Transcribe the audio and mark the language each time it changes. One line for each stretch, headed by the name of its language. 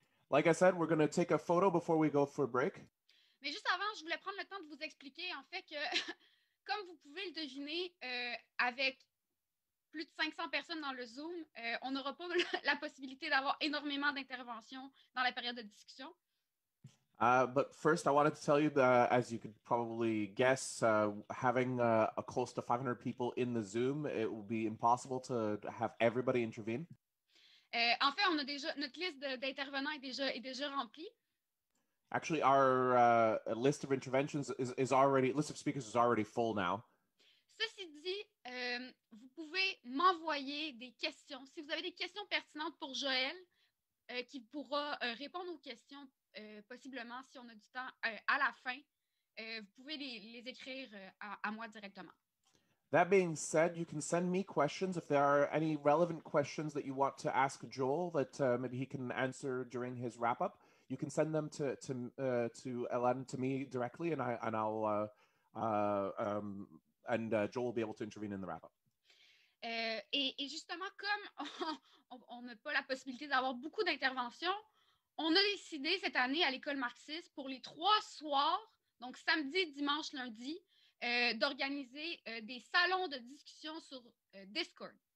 English: Like I said, we're going to take a photo before we go for break.
French: Mais juste avant, je voulais prendre le temps de vous expliquer, en fait, que, comme vous pouvez le deviner, avec plus de 500 personnes dans le Zoom, on n'aura pas la possibilité d'avoir énormément d'interventions dans la période de discussion.
English: But first, I wanted to tell you that, as you could probably guess, having a close to 500 people in the Zoom, it will be impossible to have everybody intervene.
French: En fait, on a déjà notre liste d'intervenants est déjà remplie.
English: Actually, our list of interventions is already list of speakers is already full now.
French: Ceci dit, vous pouvez m'envoyer des questions si vous avez des questions pertinentes pour Joël, qui pourra répondre aux questions. Possiblement, si on a du temps à la fin, vous pouvez les écrire à moi directement.
English: That being said, you can send me questions if there are any relevant questions that you want to ask Joel that maybe he can answer during his wrap-up. You can send them to Ellen, to me directly, and Joel will be able to intervene in the wrap-up.
French: Et justement, comme on n'a pas la possibilité d'avoir beaucoup d'interventions, on a décidé cette année à l'École marxiste pour les trois soirs, donc samedi, dimanche, lundi, d'organiser des salons de discussion sur Discord.